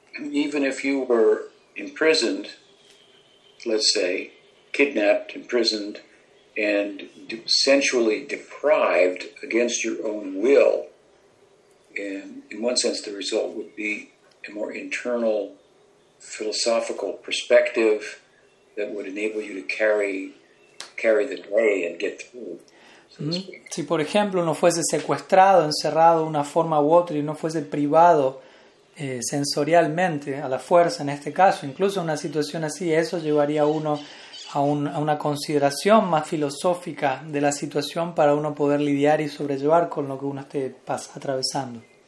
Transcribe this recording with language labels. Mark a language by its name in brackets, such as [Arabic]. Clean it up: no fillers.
[English] Even if you were imprisoned let's say, kidnapped, imprisoned, and sensually deprived against your own will, in one sense, the result would be a more internal philosophical perspective that would enable you to carry the day and get through. [Spanish] Si, por ejemplo, uno fuese secuestrado, encerrado de una forma u otra y uno fuese privado sensorialmente, a la fuerza en este caso, incluso una situación así, eso llevaría a uno a una consideración más filosófica de la situación para uno poder lidiar y sobrellevar con lo que uno esté atravesando.